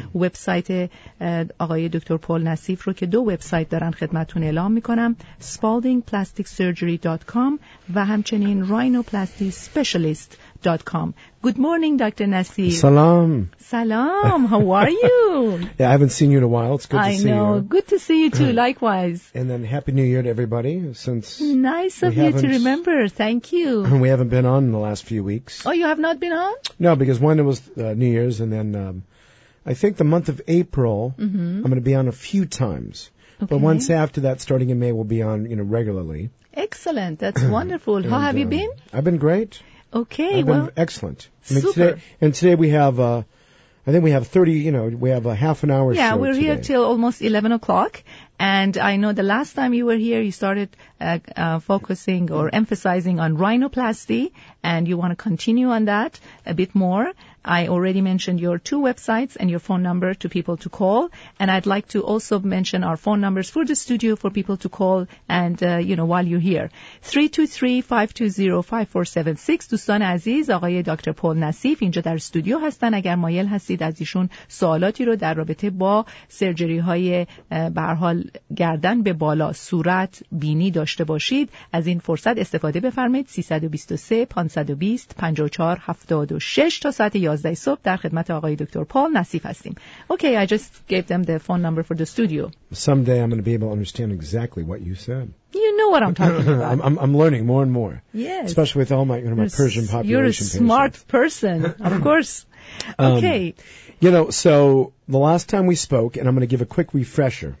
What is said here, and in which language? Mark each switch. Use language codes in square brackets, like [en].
[fa] وبسایت آقای دکتر پال نصیف رو که دو وبسایت دارن خدمتون اعلام میکنم، spaldingplasticsurgery.com و همچنین rhinoplasticspecialist.com. [en] Good morning, Dr. Nasir. [fa] Salam. [en] Salam. How are you? Yeah, I haven't seen you in a while. It's good I to see know. You. I know. Good to see you too. Likewise. And then Happy New Year to everybody. Since nice of you to remember. Thank you. We haven't been on in the last few weeks. Oh, you have not been on? No, because one, it was New Year's, and then I think the month of April, I'm going to be on a few times. Okay. But once after that, starting in May, we'll be on, you know, regularly. Excellent. That's wonderful. How have you been? I've been great. Okay, I've well, been excellent. I mean, super. Today we have, I think we have 30, you know, we have a half an hour show today. Yeah, we're here till almost 11 o'clock. And I know the last time you were here, you started focusing or emphasizing on rhinoplasty, and you want to continue on that a bit more. I already mentioned your two websites and your phone number to people to call. And I'd like to also mention our phone numbers for the studio for people to call and, you know, while you're here. 323-520-5476. [fa] دوستان عزیز، آقای دکتر پال نصیف اینجا در استودیو هستن. اگر مایل هستید از ایشون سوالاتی رو در رابطه با سرجری های برحال گردن به بالا، صورت، بینی داشته باشید، از این فرصت استفاده بفرمایید. 323-520-5476 تا ساعت 11 صبح در خدمت آقای دکتر پال نصیف هستیم. [en] Okay, I just gave them the phone number for the studio. Someday I'm going to be able to understand exactly what you said. You know what I'm talking about. I'm learning more and more. Yes. Especially with all my, you know, my Persian population. You're a smart person, of course. Okay. You know, so the last time we spoke, and I'm going to give a quick refresher.